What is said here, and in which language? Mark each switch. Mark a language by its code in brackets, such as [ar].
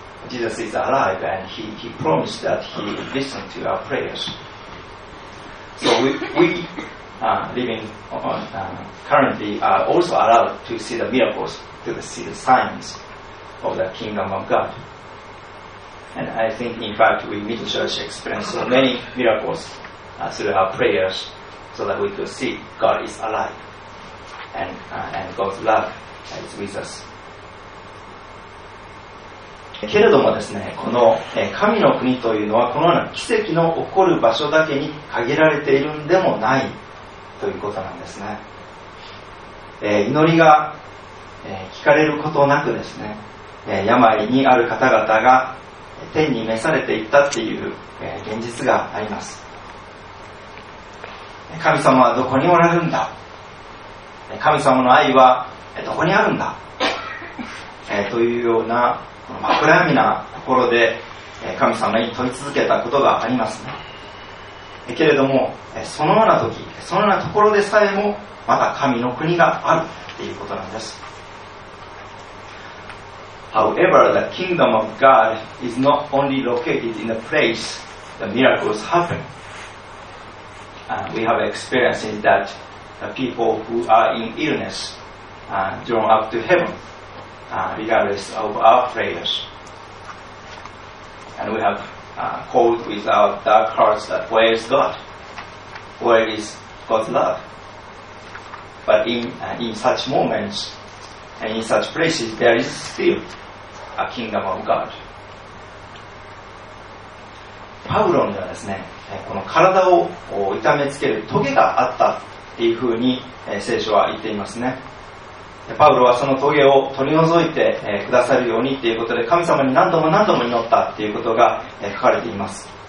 [en] Jesus is alive and he promised that he would listen to our prayersSo we living currently are also allowed to see the miracles, to see the signs of the kingdom of God. And I think, in fact, we meet the church experience so many miracles through our prayers so that we could see God is alive and God's love is with us. [ja] けれどもですね、この神の国というのはこのような奇跡の起こる場所だけに限られているんでもないということなんですね。祈りが聞かれることなくですね、病にある方々が天に召されていったっていう現実があります。神様はどこにおられるんだ、神様の愛はどこにあるんだ、というような、この真っ暗闇なところで神様に問い続けたことがありますね。けれどもそのような時、そのようなところでさえもまた神の国があるということなんです。 [en] However, the kingdom of God is not only located in the place the miracles happen. We have experiences that the people who are in illness drawn up to heavenregardless of our prayers. And we have called with our dark hearts that where is God? Where is God's love? But in such moments and in such places, there is still a kingdom of God. [ja] パウロにはですね、この体を痛めつけるトゲがあったっていうふうに聖書は言っていますね。パウロはそのトゲを取り除いてくださるようにということで神様に何度も何度も祈ったということが書かれています。